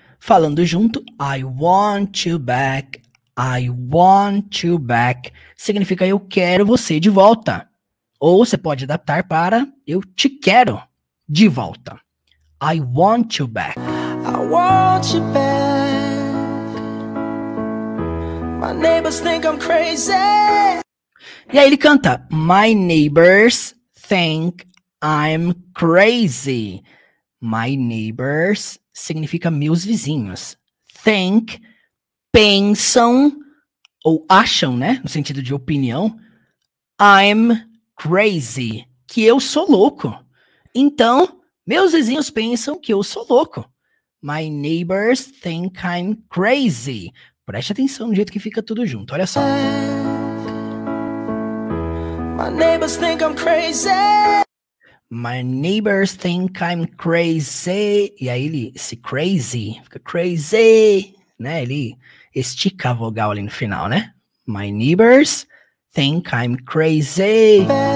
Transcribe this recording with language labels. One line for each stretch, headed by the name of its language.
Portuguese: Falando junto,
English: I want you back. I want you back.
Portuguese: Significa eu quero você de volta. Ou você pode adaptar para eu te quero de volta.
English: I want you back. I want you back. My neighbors think I'm crazy.
Portuguese: E aí ele canta,
English: my neighbors think I'm crazy.
Portuguese: My neighbors significa meus vizinhos. Think, pensam ou acham, né? No sentido de opinião. I'm crazy, que eu sou louco. Então, meus vizinhos pensam que eu sou louco.
English: My neighbors think I'm crazy.
Portuguese: Preste atenção no jeito que fica tudo junto, olha só.
English: My neighbors think I'm crazy. My neighbors think I'm crazy.
Portuguese: E aí ele, esse crazy, fica crazy, né? Ele estica a vogal ali no final, né?
English: My neighbors think I'm crazy.